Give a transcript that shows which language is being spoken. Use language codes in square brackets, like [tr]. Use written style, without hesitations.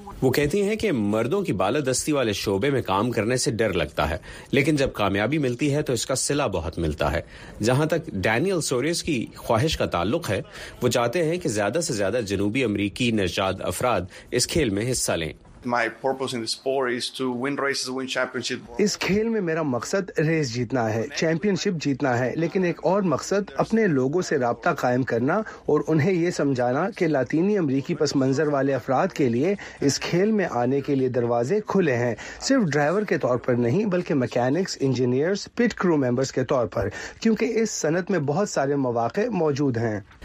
[ur] وہ کہتی ہیں کہ مردوں کی بالادستی والے شعبے میں کام کرنے سے ڈر لگتا ہے، لیکن جب کامیابی ملتی ہے تو اس کا صلہ بہت ملتا ہے۔ جہاں تک ڈینیل سوریس کی خواہش کا تعلق ہے، وہ چاہتے ہیں کہ زیادہ سے زیادہ جنوبی امریکی نژاد افراد اس کھیل میں حصہ لیں۔ [en] My purpose in the sport is to win races, win championship. [ur] اس کھیل میں میرا مقصد ریس جیتنا ہے، چیمپئن شپ جیتنا ہے، لیکن ایک اور مقصد اپنے لوگوں سے رابطہ قائم کرنا اور انہیں یہ سمجھانا کہ لاطینی امریکی پس منظر والے افراد کے لیے اس کھیل میں آنے کے لیے دروازے کھلے ہیں، صرف ڈرائیور کے طور پر نہیں بلکہ مکینکس، انجینئرز، پٹ کرو ممبرز کے طور پر، کیونکہ اس صنعت میں بہت سارے مواقع موجود ہیں۔